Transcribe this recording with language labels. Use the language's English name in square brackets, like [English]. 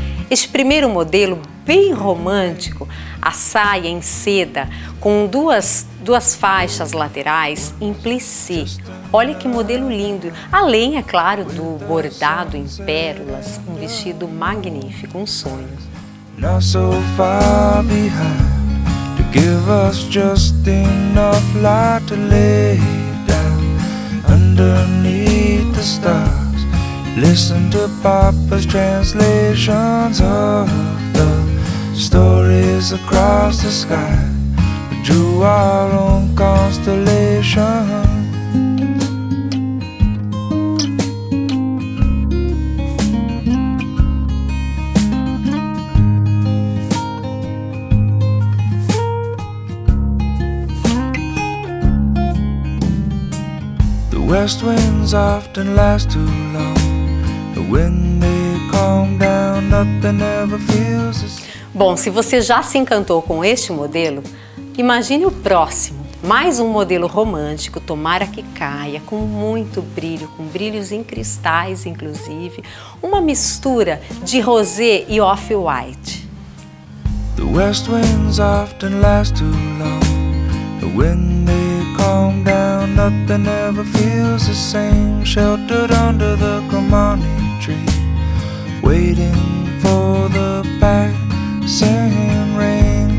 [Portuguese] Este primeiro modelo, bem romântico, a saia em seda, com duas faixas laterais em plissé. Olha que modelo lindo! Além, é claro, do bordado em pérolas, um vestido magnífico, um sonho. [English] Not so far behind to give us just enough light to lay down underneath the stars. Listen to Papa's translations of the stories across the sky. Drew our own constellation. The west winds often last too long. The wind may calm down, nothing ever feels the same. [Portuguese] Bom, se você já se encantou com este modelo, imagine o próximo, mais um modelo romântico, tomara que caia, com muito brilho, com brilhos em cristais, inclusive, uma mistura de rosé e off-white. [English] The west winds often last too long. The wind may calm down, nothing ever feels the same. Sheltered under the Cremonti tree, waiting for the passing rain.